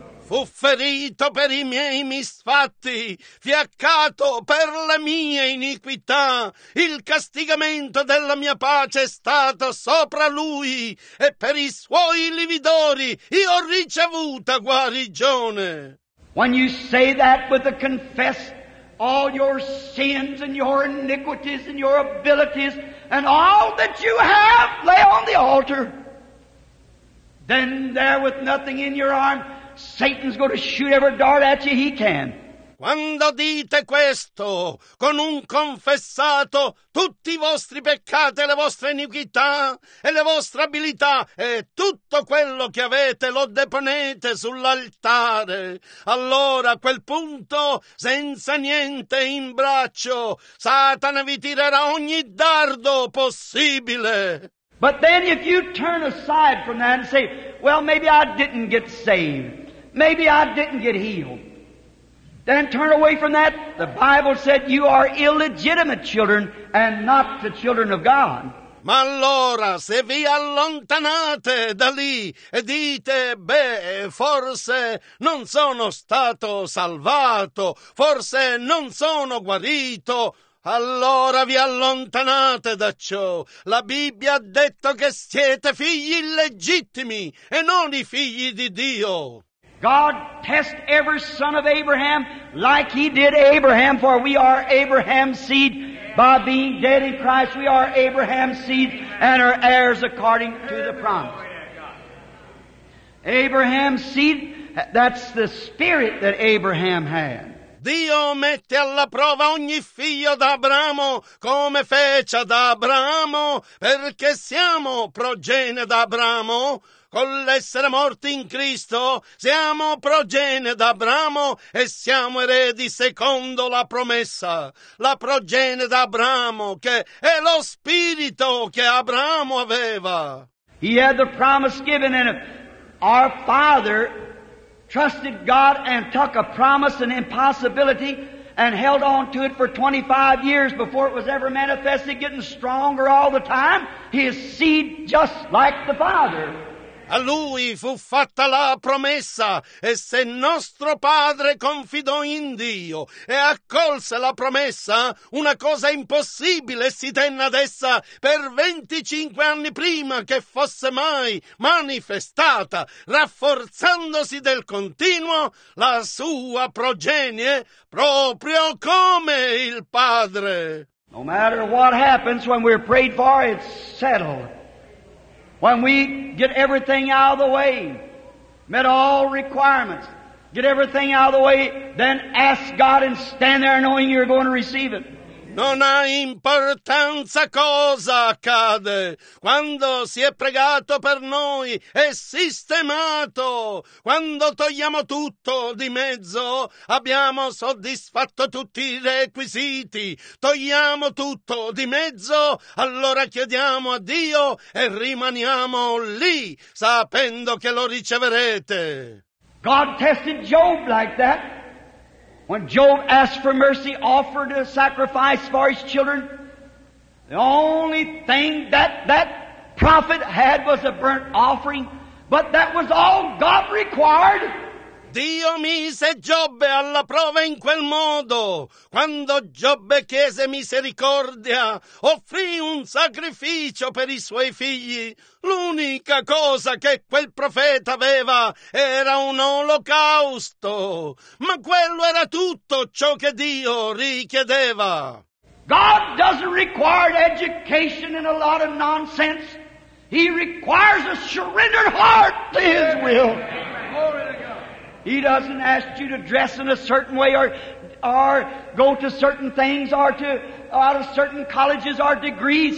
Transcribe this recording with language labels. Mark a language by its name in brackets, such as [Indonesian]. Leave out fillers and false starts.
[Italian] Fu ferito per i miei misfatti, fiaccato per le mie iniquità. Il castigamento della mia pace è stato sopra lui, e per i suoi lividori io ho ricevuta guarigione. [English] When you say that with a confess all your sins and your iniquities and your abilities and all that you have lay on the altar, then there with nothing in your arm, Satan's going to shoot every dart at you he can. [Italian] Quando dite questo, con un confessato tutti i vostri peccati, le vostre iniquità e le vostre abilità e tutto quello che avete lo deponete sull'altare, allora a quel punto, senza niente in braccio, Satana vi tirerà ogni dardo possibile. [English] But then if you turn aside from that and say, well, maybe I didn't get saved, maybe I didn't get healed, then turn away from that. The Bible said you are illegitimate children and not the children of God. [Italian] Ma allora, se vi allontanate da lì e dite, beh, forse non sono stato salvato, forse non sono guarito, allora vi allontanate da ciò. La Bibbia ha detto che siete figli illegittimi e non i figli di Dio. [English] God test every son of Abraham like he did Abraham, for we are Abraham's seed. By being dead in Christ, we are Abraham's seed and are heirs according to the promise. Abraham's seed, that's the spirit that Abraham had. [Italian] Dio mette alla prova ogni figlio d'Abramo, come fece ad Abramo, perché siamo progenie d'Abramo. Con l'essere morti in Cristo, siamo progenie d'Abramo e siamo eredi secondo la promessa. La progenie d'Abramo, che è lo spirito che Abramo aveva. [English] He had the promise given in our father. Trusted God and took a promise, an impossibility, and held on to it for 25 years before it was ever manifested, getting stronger all the time. His seed just like the Father. [Italian] A lui fu fatta la promessa, e se nostro padre confidò in Dio e accolse la promessa, una cosa impossibile si tenne ad essa per 25 anni prima che fosse mai manifestata, rafforzandosi del continuo la sua progenie, proprio come il padre. [English] No matter what happens when we're prayed for, it's settled. When we get everything out of the way, met all requirements, get everything out of the way, then ask God and stand there knowing you're going to receive it. [Italian] Non ha importanza cosa accade. Quando si è pregato per noi, è sistemato. Quando togliamo tutto di mezzo, abbiamo soddisfatto tutti i requisiti. Togliamo tutto di mezzo, allora chiediamo a Dio e rimaniamo lì, sapendo che lo riceverete. [English] God tested Job like that. When Job asked for mercy, offered a sacrifice for his children, the only thing that prophet had was a burnt offering, but that was all God required. [Italian] Dio mise Giobbe alla prova in quel modo. Quando Giobbe chiese misericordia, offrì un sacrificio per i suoi figli. L'unica cosa che quel profeta aveva era un olocausto. Ma quello era tutto ciò che Dio richiedeva. [English] God doesn't require education and a lot of nonsense. He requires a surrendered heart to His will. He doesn't ask you to dress in a certain way or go to certain things or to out of certain colleges or degrees.